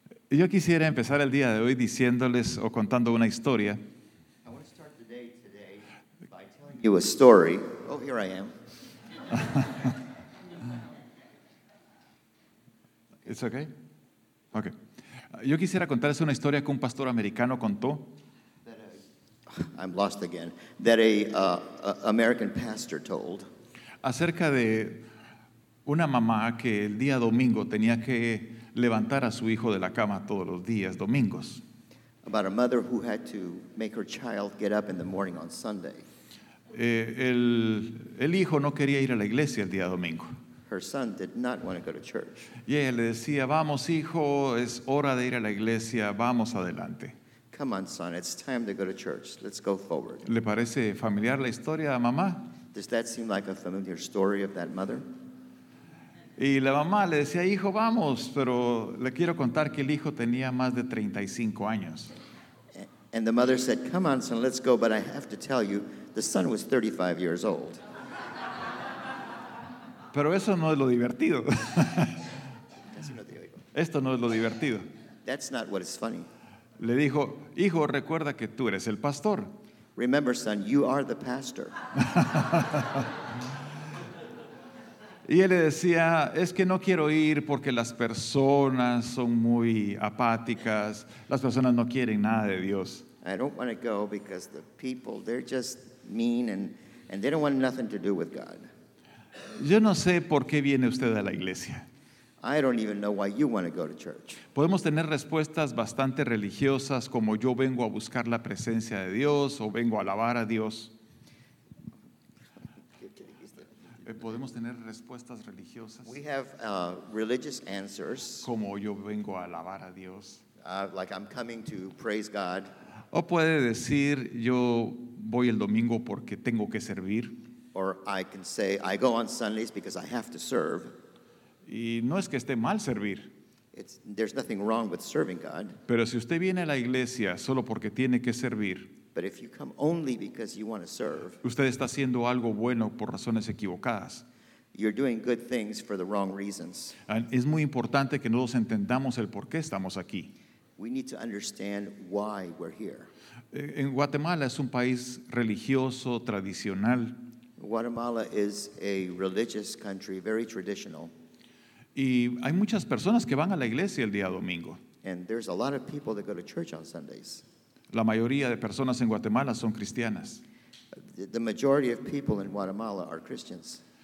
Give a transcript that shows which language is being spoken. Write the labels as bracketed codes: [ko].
[es] Yo quisiera empezar el día de hoy diciéndoles o contando una historia. [en] I want to start the day today by telling you a story. Oh, here I am. It's okay? Okay. [es] Yo quisiera contarles una historia que un pastor americano contó. [en] I'm lost again. That a American pastor told. [es] Acerca de una mamá que el día domingo tenía que levantar a su hijo de la cama todos los días, domingos. [en] About a mother who had to make her child get up in the morning on Sunday. [es] El hijo no quería ir a la iglesia el día domingo. [en] Her son did not want to go to church. [es] Y ella le decía, vamos hijo, es hora de ir a la iglesia, vamos adelante. [en] Come on son, it's time to go to church, let's go forward. [es] ¿Le parece familiar la historia a mamá? [en] Does that seem like a familiar story of that mother? [es] Y la mamá le decía, hijo, vamos, pero le quiero contar que el hijo tenía más de 35 años. [en] And the mother said, come on, son, let's go, but I have to tell you, the son was 35 years old. [es] Pero eso no es lo divertido. Esto no es lo divertido. [en] That's not what is funny. [es] Le dijo, hijo, recuerda que tú eres el pastor. [en] Remember, son, you are the pastor. [es] Y él le decía, es que no quiero ir porque las personas son muy apáticas, las personas no quieren nada de Dios. [en] I don't want to go because the people, they're just mean and they don't want nothing to do with God. [es] Yo no sé por qué viene usted a la iglesia. [en] I don't even know why you want to go to church. [es] Podemos tener respuestas bastante religiosas como yo vengo a buscar la presencia de Dios o vengo a alabar a Dios. Podemos tener respuestas religiosas. [en] We have religious answers. [es] Como yo vengo a alabar a Dios. [en] Like I'm coming to praise God. [es] O puede decir, yo voy el domingo porque tengo que servir. [en] Or I can say, I go on Sundays because I have to serve. [es] Y no es que esté mal servir. [en] There's nothing wrong with serving God. [es] Pero si usted viene a la iglesia solo porque tiene que servir, [en] but if you come only because you want to serve, [es] usted está haciendo algo bueno por razones equivocadas. [en] You're doing good things for the wrong reasons. [es] Es muy importante que nosotros entendamos el por qué estamos aquí. [en] We need to understand why we're here. [es] En Guatemala es un país religioso, tradicional. [en] Guatemala is a religious country, very traditional. [es] Y hay muchas personas que van a la iglesia el día domingo. [en] And there's a lot of people that go to church on Sundays. [es] La mayoría de personas en Guatemala son cristianas. [en] The majority of people in Guatemala are Christians.